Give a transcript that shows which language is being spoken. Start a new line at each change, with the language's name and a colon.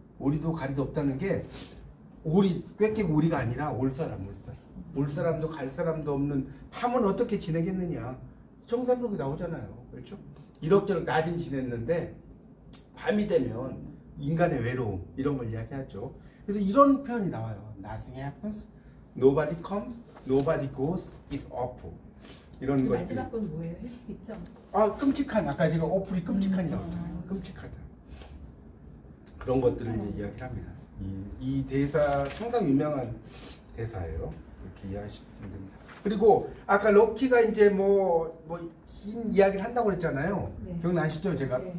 Korean: 오리도 가리도 없다는 게 오리, 꽤꽤 오리가 아니라 올 사람, 올 사람. 올 사람도 갈 사람도 없는 밤은 어떻게 지내겠느냐? 청산록이 나오잖아요. 그렇죠? 이럭저럭 낮은 지냈는데 밤이 되면 인간의 외로움, 이런 걸 이야기하죠. 그래서 이런 표현이 나와요.
English: Nothing happens, nobody comes, nobody goes, it's awful.
Korean: 이런 거 마지막 건 뭐예요? 있죠. 아, 끔찍한. 아까 제가 어플이 끔찍한이라고 했잖아요. 끔찍하다. 그런 것들을 이제 이야기를 합니다. 이 대사 상당히 유명한 대사예요. 이렇게 이해하시면 됩니다. 그리고 아까 럭키가 이제 뭐 긴 이야기를 한다고 그랬잖아요. 네. 기억나시죠? 제가 네.